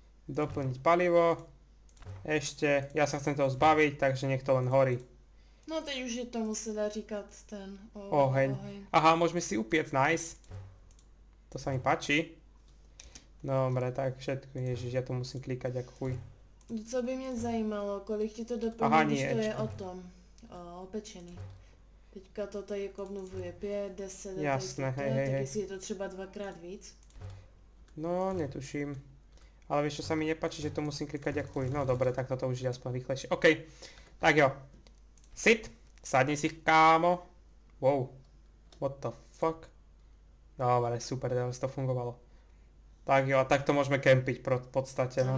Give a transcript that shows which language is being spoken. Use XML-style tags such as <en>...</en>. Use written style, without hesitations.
<sk>Doplniť palivo. Ešte, ja sa chcem toho zbaviť, takže nech to len horí.</sk> <cs>No teď už je tomu sa dá říkať ten oheň.</cs> <sk>Aha, môžeme si upiec, nice. To sa mi páči. Dobre, tak všetko, ježiš, ja to musím klikať ako chuj.</sk> <cs>Co by mňa zajímalo, kolik ti to doplní,</cs> <sk>aha, nie,</sk> <cs>když to je o tom, o pečení. Teďka to tady obnovuje 5, 10, jasné, tak,</cs> <sk>hej,</sk> <cs>tak jestli je to třeba dvakrát víc.</cs> <sk>No, netuším. Ale vieš, čo sa mi nepáči, že to musím klikať ako chuj. No dobre, tak toto už je aspoň rýchlejšie. OK, tak jo. Sit, sadni si, kámo.</sk> <en>Wow, what the fuck.</en> <sk>Dobre, super, teraz to fungovalo. Tak jo, a tak to môžeme kempiť v podstate, no.</sk>